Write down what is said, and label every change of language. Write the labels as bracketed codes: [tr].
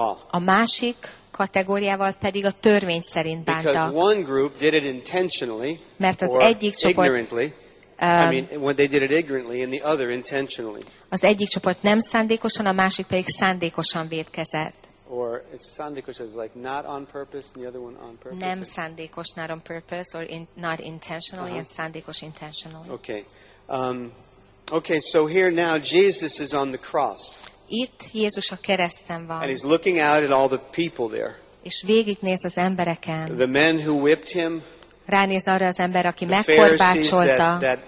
[hu] A másik kategóriával pedig a törvény szerint bántak. [en] Because one group did it intentionally, [hu] mert az egyik csoport, [en] ignorantly, they did it ignorantly, and the other intentionally. [hu] Az egyik csoport nem szándékosan, a másik pedig szándékosan vétkezett. [en] Or it's szándékos, it's like not on purpose, and the other one on purpose. [hu] Nem szándékos, [en] not on purpose, or not intentionally, and szándékos intentionally. Okay. Okay, so here now Jesus is on the cross. [hu] Itt Jézus a kereszten van. [en] And he's looking out at all the people there. [hu] És végignéz az embereken. [en] The men who whipped him. [hu] Ránéz arra az ember, aki megkorbácsolta.